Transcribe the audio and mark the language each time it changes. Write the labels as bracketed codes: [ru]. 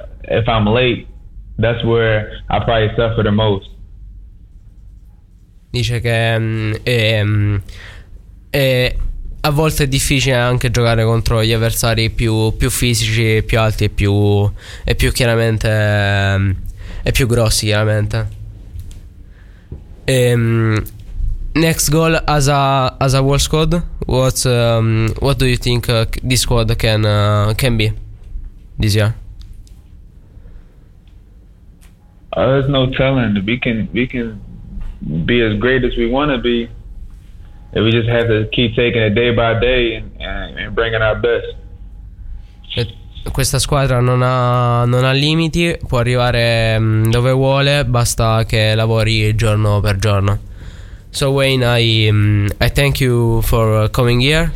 [en] If I'm late, that's where I probably suffer the most. [it] Dice che a volte è difficile anche giocare contro gli avversari più fisici, più alti e più grossi chiaramente. [en] Next goal as a world squad, what do you think this squad can be this year? There's no telling. We can be as great as we want to be, and we just have to keep taking it day by day and bringing our best. [it] Questa squadra non ha limiti, può arrivare dove vuole, basta che lavori giorno per giorno. [en] So Wayne, I thank you for coming here.